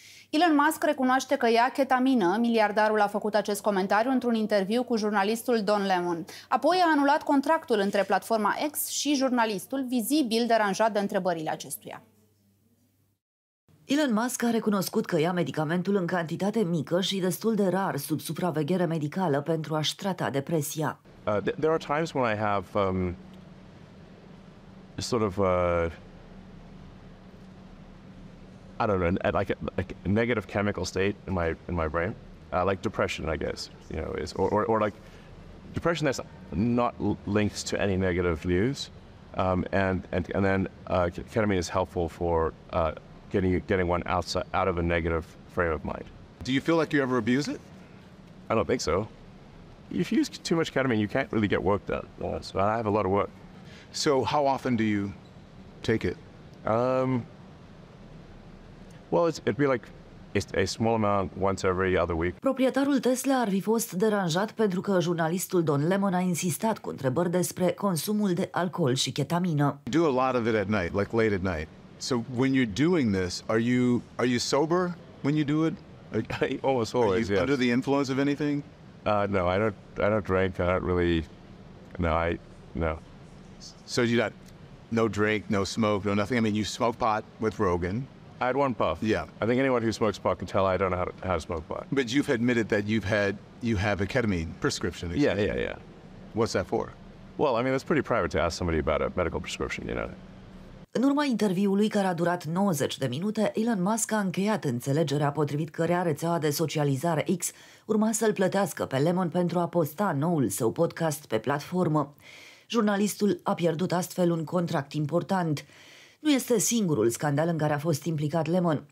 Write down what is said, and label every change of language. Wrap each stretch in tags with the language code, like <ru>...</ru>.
<ro>Elon Musk recunoaște că ia ketamină. Miliardarul a făcut acest comentariu într-un interviu cu jurnalistul Don Lemon. Apoi a anulat contractul între platforma X și jurnalistul, vizibil deranjat de întrebările acestuia. Elon Musk a recunoscut că ia medicamentul în cantitate mică și destul de rar sub supraveghere medicală pentru a-și trata depresia.</ro> <en>There are times when I have sort of I don't know, like a negative chemical state in my brain, like depression, I guess, you know, is or like depression that's not linked to any negative news, and then ketamine is helpful for getting one outside, out of a negative frame of mind. Do you feel like you ever abuse it? I don't think so. If you use too much ketamine, you can't really get work done. So I have a lot of work. So how often do you take it? Well, it'd be like a small amount once every other week.</en> <ro>Proprietarul Tesla ar fi fost deranjat pentru că jurnalistul Don Lemon a insistat cu întrebări despre consumul de alcool și ketamină.</ro> <en>Do a lot of it at night, like late at night. So when you're doing this, are you sober when you do it? Almost always. Are you under the influence of anything? No, I don't drink. I don't really. No. So you got no drink, no smoke, no nothing. I mean, you smoke pot with Rogan. I had one puff. Yeah. I think anyone who smokes pot can tell I don't know how to smoke pot. But you've admitted that you have a ketamine prescription. Yeah, yeah, yeah. What's that for? Well, I mean, it's pretty private to ask somebody about a medical prescription, you know.</en> <ro>În urma interviului, care a durat 90 de minute, Elon Musk a încheiat înțelegerea potrivit cărea rețeaua de socializare X urma să-l plătească pe Lemon pentru a posta noul său podcast pe platformă. Jurnalistul a pierdut astfel un contract important. Nu este singurul scandal în care a fost implicat Lemon.</ro>